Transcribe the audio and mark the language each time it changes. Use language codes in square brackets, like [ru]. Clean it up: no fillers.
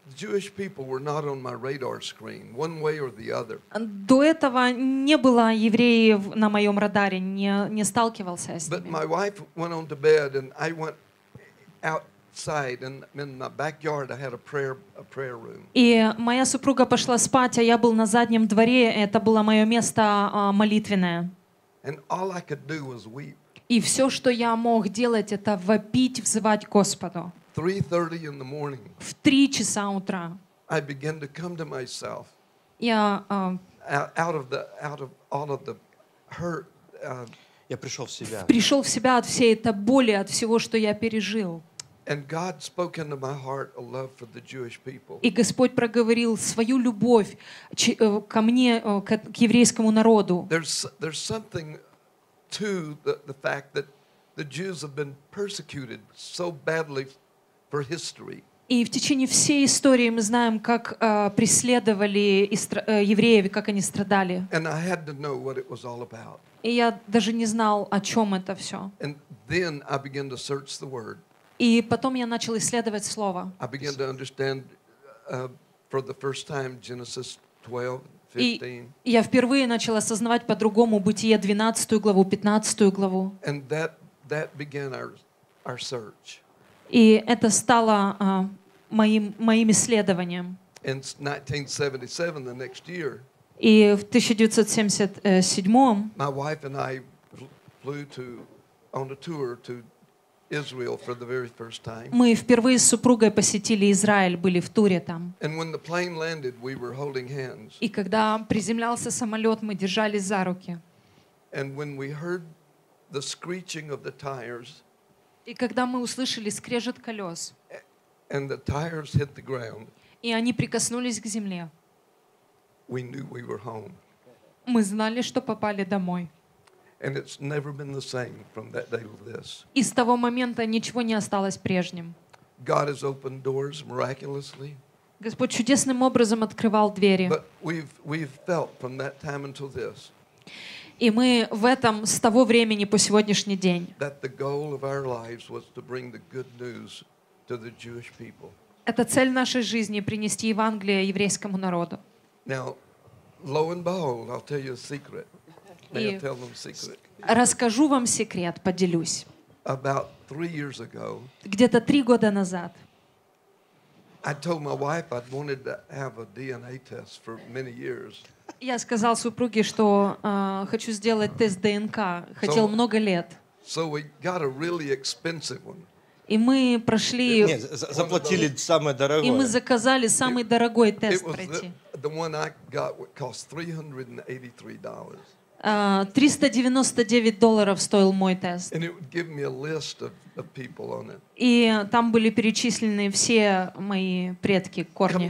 [en] Jewish people were not on my radar screen, one way or the other. [ru] До этого не было евреев на моем радаре, не сталкивался с ними. [en] But my wife went on to bed, and I went outside in my backyard. I had a prayer room. [ru] И моя супруга пошла спать, а я был на заднем дворе. Это было мое место молитвенное. [en] And all I could do was weep. [ru] И все, что я мог делать, это вопить, взывать Господу. [en] 3:30 in the morning. [ru] В 3 часа утра. [en] I began to come to myself. [ru] Я [en] out of all of the hurt. [ru] Я пришел в себя. Пришел в себя от всей этой боли, от всего, что я пережил. [en] And God spoke into my heart a love for the Jewish people. [ru] И Господь проговорил свою любовь ко мне, к еврейскому народу. [en] There's something to the fact that the Jews have been persecuted so badly for history. [ru] И в течение всей истории мы знаем, как преследовали евреев, как они страдали. [en] And I had to know what it was all about. [ru] И я даже не знал, о чем это все. [en] And then I began to search the word. [ru] И потом я начал исследовать слово. [en] I began to understand for the first time Genesis 12:15. [ru] И я впервые начал осознавать по-другому Бытие 12 главу, 15 главу. [en] And that began our search. [ru] И это стало моим исследованием. [en] In 1977, the next year, [ru] и в 1977 [en] my wife and I flew on a tour to Israel for the very first time. [ru] Мы впервые с супругой посетили Израиль, были в туре там. [en] And when the plane landed, we were holding hands. [ru] И когда приземлялся самолет, мы держались за руки. [en] And when we heard the screeching of the tires. [ru] И когда мы услышали скрежет колес. [en] And the tires hit the ground. [ru] И они прикоснулись к земле. [en] We knew we were home. [ru] Мы знали, что попали домой. [en] And it's never been the same from that day to this. [ru] И с того момента ничего не осталось прежним. [en] God has opened doors miraculously. [ru] Господь чудесным образом открывал двери. [en] But we've felt from that time until this. [ru] И мы в этом с того времени по сегодняшний день. [en] That the goal of our lives was to bring the good news to the Jewish people. [ru] Это цель нашей жизни — принести Евангелие еврейскому народу. [en] Now, lo and behold, I'll tell you a secret. May I tell them secret? [ru] Расскажу вам секрет, поделюсь. [en] About 3 years ago. [ru] Где-то 3 года назад. [en] I told my wife I'd wanted to have a DNA test for many years. [ru] Я сказал супруге, что хочу сделать тест ДНК, хотел много лет. [en] So we got a really expensive one. [ru] И мы прошли. Нет, заплатили самое дорогое. И мы заказали самый дорогой тест пройти. [en] The one I got cost $383. [ru] $399 стоил мой тест. [en] And it would give me a list of people on it. [ru] И там были перечислены все мои предки, корни.